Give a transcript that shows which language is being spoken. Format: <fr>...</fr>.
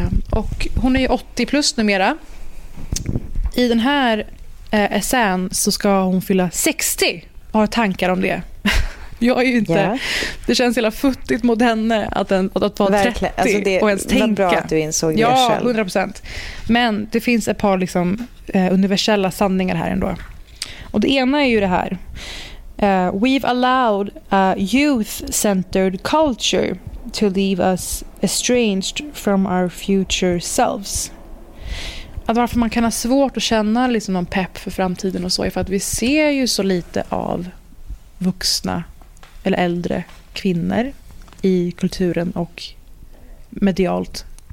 <sv>Och hon är ju 80 plus numera. I den här essän så ska hon fylla 60. Jag har tankar om det. Jag är ju inte... Yeah. Det känns hela futtigt mot henne att vara 30 alltså och ens tänka. Det var bra att du insåg det själv. Ja, 100%. Men det finns ett par liksom, universella sanningar här ändå. Och det ena är ju det här.</sv> <en>We've allowed a youth-centered culture to leave us estranged from our future selves.</en> <sv>Att varför man kan ha svårt att känna liksom någon pepp för framtiden och så är för att vi ser ju så lite av vuxna eller äldre kvinnor i kulturen och medialt.</sv>